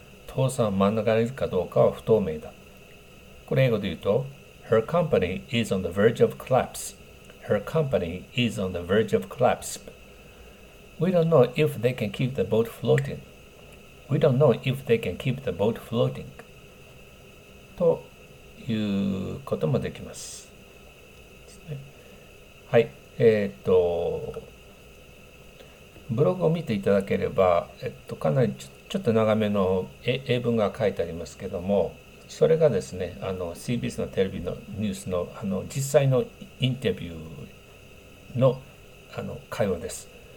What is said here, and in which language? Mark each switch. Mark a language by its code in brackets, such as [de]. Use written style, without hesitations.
[ja] 倒産を免れるかどうかは不透明だ。これ英語で言うと、 [en] Her company is on the verge of collapse. Her company is on the verge of collapse. We don't know if they can keep the boat floating. We don't know if they can keep the boat floating. [ja] ということもできます。はい、ブログを見ていただければ、かなりちょっと長めの英文が書いてありますけども、それがですね、CBS のテレビのニュースの、実際のインタビューの、会話です。